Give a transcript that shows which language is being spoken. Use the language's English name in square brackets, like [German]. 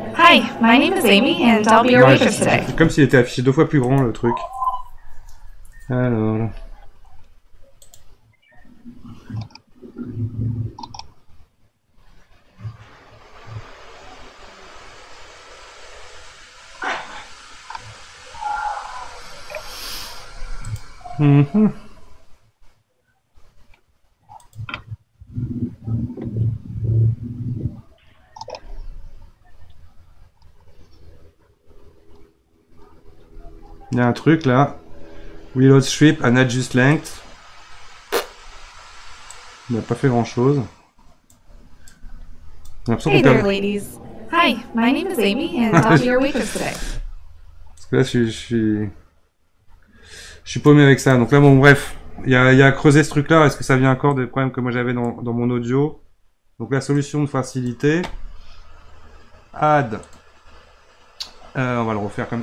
[English] Hi, my name is Amy, and I'll be your waitress today. [French] C'est comme s'il était affiché deux fois plus grand, le truc. Alors... Il y a un truc là. [English] Reload strip and adjust length. [French] Il n'a pas fait grand chose. [English] Hey there, ladies. Hi, my name is Amy and I'll be your waitress today. [French] Parce que là, je suis paumé avec ça. Donc là, bon, bref, il y a à creuser ce truc-là. Est-ce que ça vient encore des problèmes que moi j'avais dans mon audio? Donc la solution de facilité. Add. On va le refaire comme.